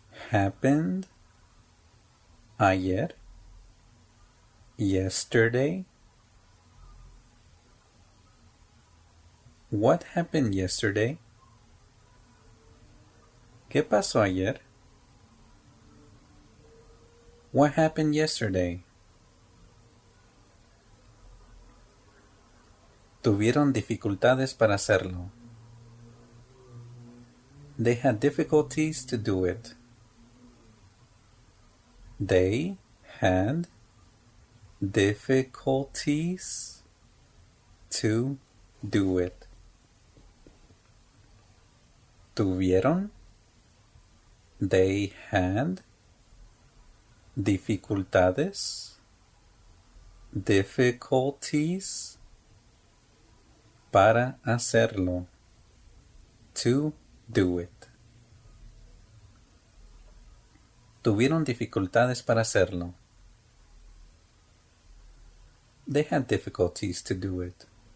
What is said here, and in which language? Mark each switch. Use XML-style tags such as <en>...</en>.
<en>Happened</en> <es>ayer?</es> <en>Yesterday? What happened yesterday?</en> <es>¿Qué pasó ayer?</es> <en>What happened yesterday?</en> <es>Tuvieron dificultades para hacerlo.</es> <en>They had difficulties to do it. They had difficulties to do it.</en> <es>Tuvieron,</es> <en>they had</en> <es>dificultades,</es> <en>difficulties</en> <es>para hacerlo,</es> <en>to do it.</en> <es>Tuvieron dificultades para hacerlo.</es> <en>They had difficulties to do it.</en>